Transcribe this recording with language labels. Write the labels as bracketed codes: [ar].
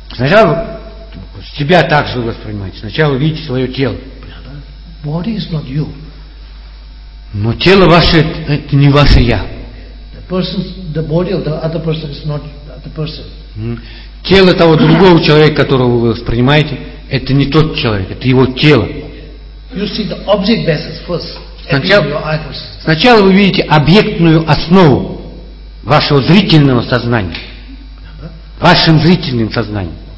[ru] Сначала себя также воспринимаете. Сначала видите свое тело. [en] Body is not you. [ru] Но тело ваше это не ваше я. [en] The person, the body of the other person is not the other person. [ru] Тело того другого человека, которого вы воспринимаете, это не тот человек, это его тело. [en] You see the object basis first. [ru] Сначала вы видите объектную основу вашего зрительного сознания. Вашим зрительным сознанием.